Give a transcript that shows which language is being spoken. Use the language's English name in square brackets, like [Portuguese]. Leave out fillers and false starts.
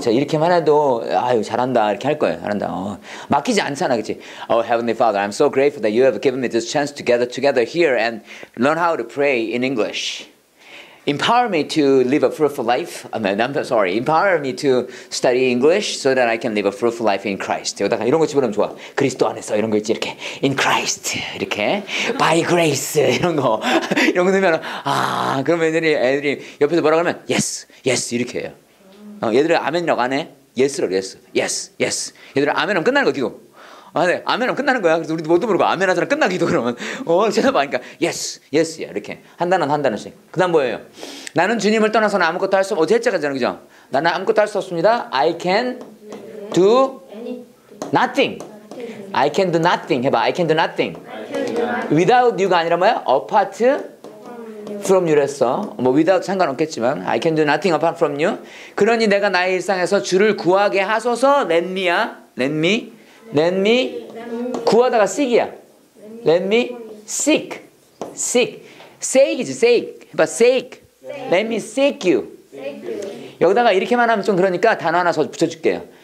[Korean] 자, 이렇게만 해도 아유 잘한다 이렇게 할 거예요. 잘한다. 어, 막히지 않잖아. 그치? [English] Oh Heavenly Father, I'm so grateful that you have given me this chance to gather together here and learn how to pray in English. Empower me to live a fruitful life. Empower me to study English so that I can live a fruitful life in Christ. [Korean] 여기다가 이런 거 집어넣으면 좋아. 그리스도 안에서 이런 거 있지 이렇게. [English] In Christ [Korean] 이렇게. [English] By grace [Korean] 이런 거. 이런 거 넣으면 아 그러면 애들이 옆에서 뭐라고 하면 [English] yes, yes [Korean] 이렇게 해요. 어, 얘들아 아멘이라고 안 해? [English] Yes라고 yes, yes, yes. [Korean] 얘들아 아멘하면 끝나는 거 기도. 아, 네. 아멘하면 끝나는 거야. 그래서 우리도 모두 모르고 아멘하잖아. 끝나기도 그러면. 어, 제가 보니까 예스, 예스 이렇게 한 단어 한 단어씩. 그다음 뭐예요? 나는 주님을 떠나서는 아무것도 할 수 없어. 제자가 되는 거죠. 나는 아무것도 할 수 없습니다. [English] I can do nothing. I can do nothing. [Korean] 해봐. [English] I can do nothing. Without you [Korean] 가 아니라 뭐야? [English] Apart from you랬어. 뭐 without [Korean] 상관없겠지만 [English] I can do nothing apart from you. [Korean] 그러니 내가 나의 일상에서 주를 구하게 하소서. Let me야. Let me. Let me 구하다가 seek이야. Let me seek. Seek. Seek이지. Seek. 해봐. Seek. Let me seek you. 여기다가 이렇게만 하면 좀 그러니까 단어 하나 더 붙여줄게요.